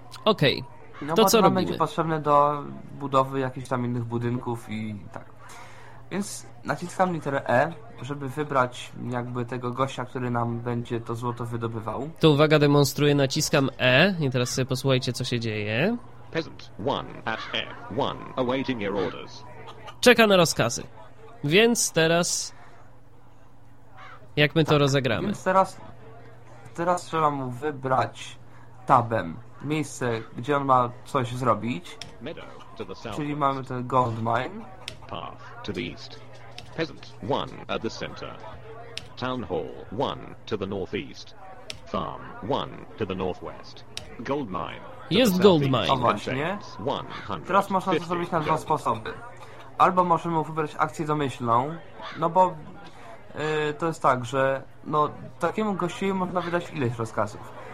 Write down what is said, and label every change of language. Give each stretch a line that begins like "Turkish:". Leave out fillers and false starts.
Polish: Okej. Okay. To no, co robimy? To będzie potrzebne do budowy jakichś tam innych budynków i tak. Więc naciskam literę E, żeby wybrać jakby tego gościa, który nam będzie to złoto wydobywał. To uwaga, demonstruję, naciskam E i teraz sobie posłuchajcie, co się dzieje.
English: Peasant 1 at F1 awaiting your orders.
Polish: Czeka na rozkazy. Więc teraz jak my to rozegramy? Więc teraz trzeba mu wybrać tabem miejsce, gdzie on ma coś zrobić. Czyli mamy ten gold mine.
English: Path to the east. Peasant, one at the center. Town hall, one to the northeast. Farm, one to the northwest. Gold mine.
Polish: Jest gold mine. O właśnie. Teraz można to zrobić na dwa sposoby. Albo możemy wybrać akcję domyślną, no bo to jest tak, że no, takiemu gościowi można wydać ileś rozkazów.